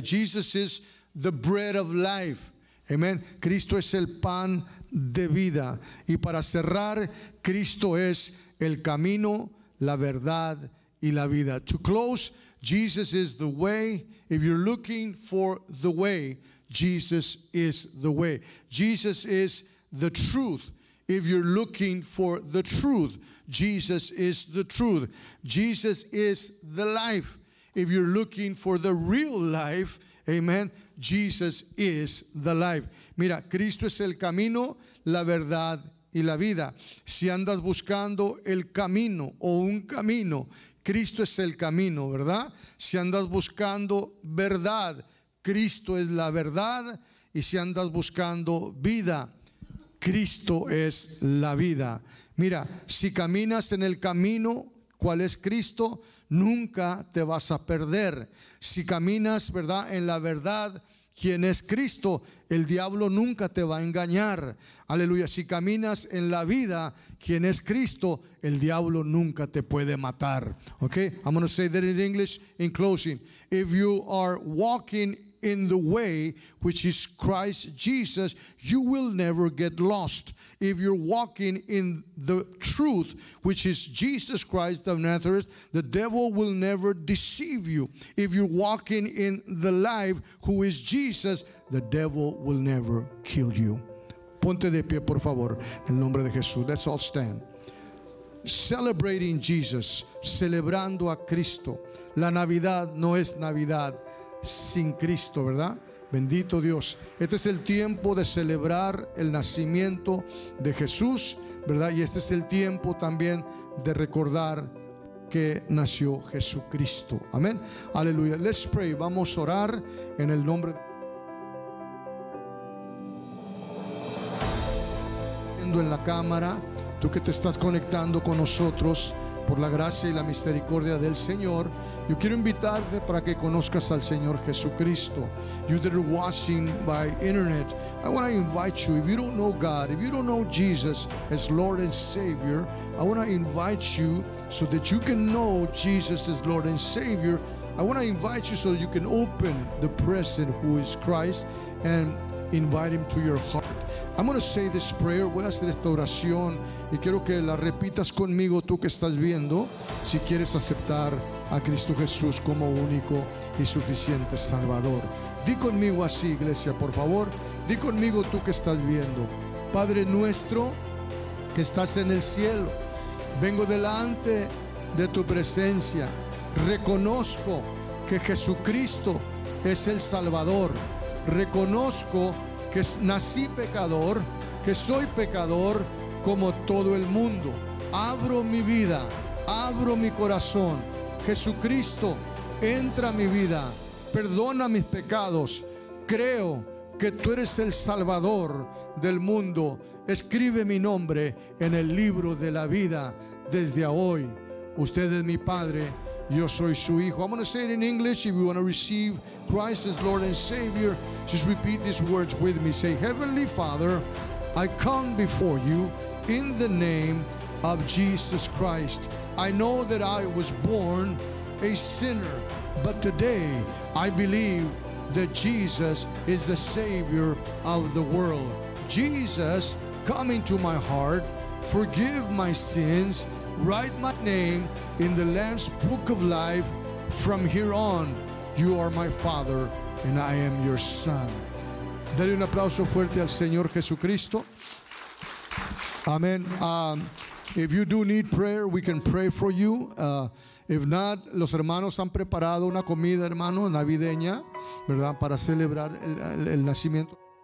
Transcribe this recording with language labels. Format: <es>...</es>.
<en>Jesus is the bread of life.</en> <es>Amén. Cristo es el pan de vida. Y para cerrar, Cristo es el camino, la verdad y la vida.</es> <en>To close, Jesus is the way. If you're looking for the way, Jesus is the way. Jesus is the truth. If you're looking for the truth, Jesus is the truth. Jesus is the life. If you're looking for the real life, amen, Jesus is the life.</en> <es>Mira, Cristo es el camino, la verdad y la vida. Si andas buscando el camino o un camino, Cristo es el camino, ¿verdad? Si andas buscando verdad, Cristo es la verdad. Y si andas buscando vida, Cristo es la vida. Mira, si caminas en el camino, ¿cuál es Cristo? Nunca te vas a perder. Si caminas, ¿verdad?, en la verdad, ¿quién es Cristo? El diablo nunca te va a engañar. Aleluya. Si caminas en la vida, ¿quién es Cristo? El diablo nunca te puede matar. Okay?</es> <en>I'm going to say that in English in closing. If you are walking in the way, which is Christ Jesus, you will never get lost. If you're walking in the truth, which is Jesus Christ of Nazareth, the devil will never deceive you. If you're walking in the life, who is Jesus, the devil will never kill you.</en> <es>Ponte de pie, por favor, en el nombre de Jesús.</es> <en>Let's all stand. Celebrating Jesus,</en> <es>celebrando a Cristo. La Navidad no es Navidad sin Cristo, ¿verdad? Bendito Dios. Este es el tiempo de celebrar el nacimiento de Jesús, ¿verdad? Y este es el tiempo también de recordar que nació Jesucristo. Amén. Aleluya.</es> <en>Let's pray.</en> <es>Vamos a orar en el nombre de Jesús. En la cámara, tú que te estás conectando con nosotros, por la gracia y la misericordia del Señor, yo quiero invitarte para que conozcas al Señor Jesucristo.</es> <en>You that are watching by internet, I want to invite you, if you don't know God, if you don't know Jesus as Lord and Savior, I want to invite you so that you can know Jesus as Lord and Savior. I want to invite you so you can open the present who is Christ and invite Him to your heart. I'm going to say this prayer.</en> <es>Voy a hacer esta oración y quiero que la repitas conmigo, tú que estás viendo, si quieres aceptar a Cristo Jesús como único y suficiente Salvador. Di conmigo así, iglesia, por favor. Di conmigo, tú que estás viendo. Padre nuestro que estás en el cielo, vengo delante de tu presencia. Reconozco que Jesucristo es el Salvador. Reconozco que nací pecador, que soy pecador como todo el mundo. Abro mi vida, abro mi corazón. Jesucristo, entra a mi vida, perdona mis pecados. Creo que tú eres el Salvador del mundo. Escribe mi nombre en el libro de la vida desde hoy. Usted es mi Padre. Yo soy su hijo.</es> <en>I'm going to say it in English. If you want to receive Christ as Lord and Savior, just repeat these words with me. Say, Heavenly Father, I come before you in the name of Jesus Christ. I know that I was born a sinner, but today I believe that Jesus is the Savior of the world. Jesus, come into my heart, forgive my sins, write my name in the Lamb's Book of Life. From here on, you are my Father and I am your Son.</en> <es>Dale un aplauso fuerte al Señor Jesucristo. Amén.</es> <en>If you do need prayer, we can pray for you. If not,</en> <es>los hermanos han preparado una comida, hermano, navideña, ¿verdad? Para celebrar el nacimiento.</es>